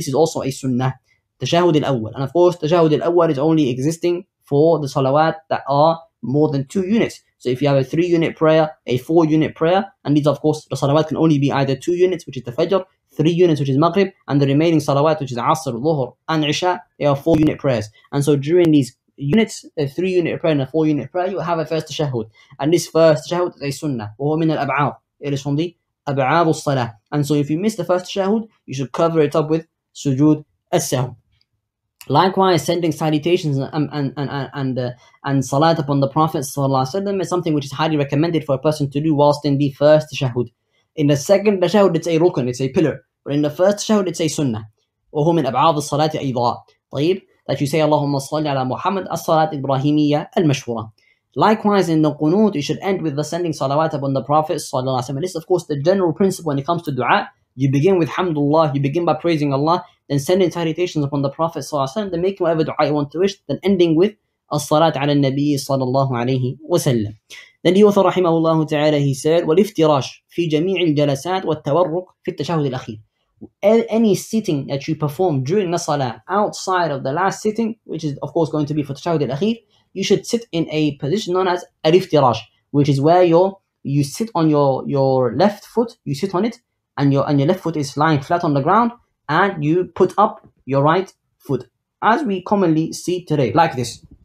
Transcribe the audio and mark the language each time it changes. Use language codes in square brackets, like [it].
[en] This is also a sunnah, تشهد الأول. And of course, تشهد الأول is only existing for the salawat that are more than 2 units. So if you have a 3-unit prayer, a 4-unit prayer, and these, of course, the salawat can only be either 2 units, which is the Fajr, 3 units, which is Maghrib, and the remaining salawat, which is Asr, Dhuhr, and Isha, they are 4-unit prayers. And so during these units, a 3-unit prayer and a 4-unit prayer, you have a first tashahud. And this first tashahud is a sunnah, [ar] وهو من الأبعاد. [en] It is from the أبعاد الصلاة. And so if you miss the first tashahud, you should cover it up with sujood as-sahw. Likewise, sending salutations and salat upon the Prophet is something which is highly recommended for a person to do whilst in the first tashahud. In the second tashahud, it's a rukun, it's a pillar. But in the first tashahud, it's a sunnah. [ar] وَهُوَ مِنْ أَبْعَاضِ الصَّلَاةِ أَيْضًا. طيب, [en] that you say, [ar] اللهم صل على محمد الصلاة إبراهيمية المشهورة. [en] Likewise, in the qunut, you should end with the sending salawat upon the Prophet. This, of course, the general principle when it comes to dua. You begin with Alhamdulillah, you begin by praising Allah, then sending salutations upon the Prophet صلى الله عليه وسلم, then making whatever dua you want to wish, then ending with As-salat ala al-Nabi صلى الله عليه وسلم. Then the author, rahimahullah ta'ala, he said, [ar] وَالْإِفْتِرَاشُ فِي جَمِيعِ الْجَلَسَاتِ وَالتَّوَرُّكُ فِي التَّشَهُدِ الْأَخِيرِ. [en] Any sitting that you perform during the salah outside of the last sitting, which is of course going to be for التَّشَهُدِ الْأَخِيرِ, you should sit in a position known as Al-Iftirash, which is where you sit on your left foot, you sit on it, and your left foot is lying flat on the ground, and you put up your right foot, as we commonly see today, like this.